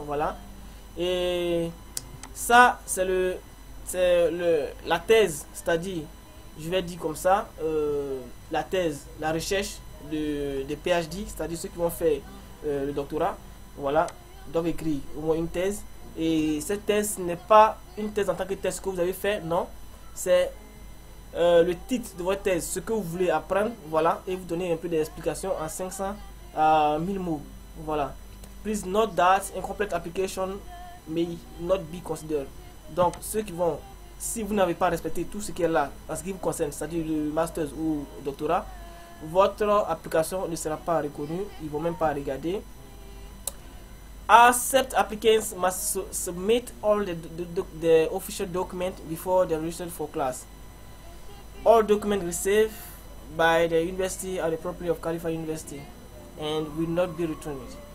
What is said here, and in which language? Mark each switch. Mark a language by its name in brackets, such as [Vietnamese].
[French] Voilà, et. Ça, c'est la thèse, c'est-à-dire, je vais dire comme ça, la thèse, la recherche de PhD, c'est-à-dire ceux qui vont faire le doctorat, voilà, doivent écrire au moins une thèse. Et cette thèse n'est pas une thèse en tant que thèse que vous avez fait, non. C'est le titre de votre thèse, ce que vous voulez apprendre, voilà, et vous donner un peu d'explication en 500 à 1000 mots, voilà. [English] Please note that incomplete application may not be considered. [French] Donc ceux qui vont, si vous n'avez pas respecté tout ce qui est là en ce qui vous concerne, c'est-à-dire le master ou le doctorat, votre application ne sera pas reconnue, ils vont même pas regarder. [English] Accept applicants must submit all the official documents before they register for class. All documents received by the university are the property of Khalifa University and will not be returned.